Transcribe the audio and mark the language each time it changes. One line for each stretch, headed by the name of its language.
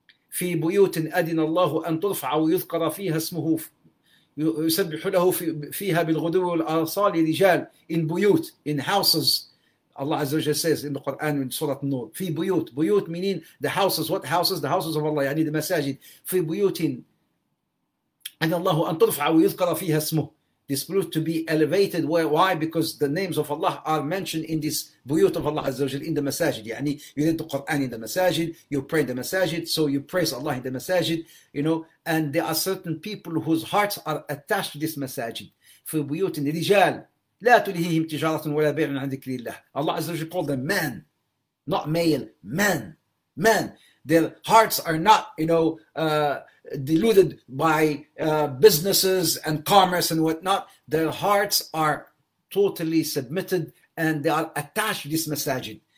Arabic: في بيوت أدن الله أن ترفع ويذكر فيها اسمه يسبح له فيها بالغدو والآصال رجال.
English: In بيوت, in houses, Allah Azza wa Jalla says in the Quran in Surah An-Nur,
Arabic: في بيوت,
English: بيوت meaning the houses. What houses? The houses of Allah, يعني the masajid.
Arabic: في بيوت أدن الله أن ترفع ويذكر فيها اسمه.
English: This proof to be elevated. Why? Because the names of Allah are mentioned in this buyut of Allah Azza wa Jal in the masajid. يعني you read the Quran in the masajid, you pray in the masajid, so you praise Allah in the masajid, you know, and there are certain people whose hearts are attached to this masajid.
Arabic: في بيوت رجال لا تلهيهم تجارة ولا بيع عن ذكر الله.
English: Allah Azza wa Jal called them men, not male, men, men. Their hearts are not, you know, deluded by businesses and commerce and whatnot. Their hearts are totally submitted and they are attached to this masajid.